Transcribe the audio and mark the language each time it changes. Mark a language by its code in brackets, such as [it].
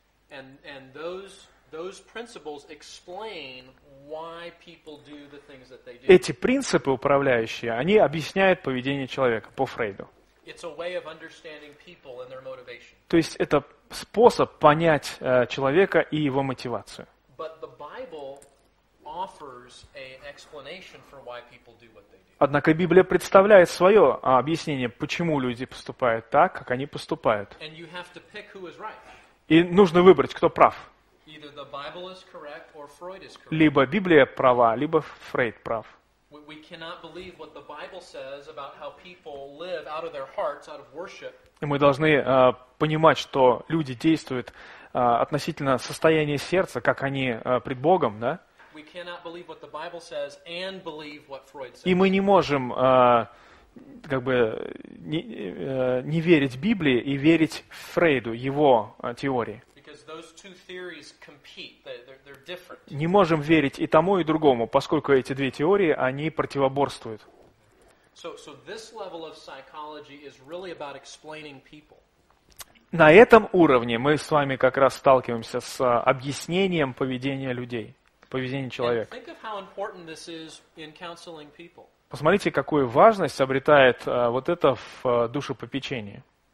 [en] And those principles explain why people do the things that they do. [ru] Эти принципы управляющие, они объясняют поведение человека по Фрейду. [en] It's a way of understanding people and their motivation. [ru] То есть это способ понять человека и его мотивацию. [en] But the Bible offers an explanation for why people do what they do. [ru] Однако Библия представляет свое объяснение, почему люди поступают так, как они поступают. [en] And you have to pick who is right. [ru] И нужно выбрать, кто прав. [en] Either the Bible is correct or Freud is correct. [ru] Либо Библия права, либо Фрейд прав. [en] We cannot believe what the Bible says about how people live out of their hearts, out of worship. [ru] И мы должны понимать, что люди действуют относительно состояния сердца, как они пред Богом, да? [en] We cannot believe what the Bible says and believe what Freud says. [ru] И мы не можем не верить Библии и верить Фрейду, его теории. [en] Because those two theories compete, they're different. [ru] Не можем верить и тому, и другому, поскольку эти две теории, они противоборствуют. [en] So this level of psychology is really about explaining people. [ru] На этом уровне мы с вами как раз сталкиваемся с объяснением поведения людей, поведения человека. [en] And think of how important this is in counseling people. [ru] Посмотрите, какую важность обретает вот это в душепопечении.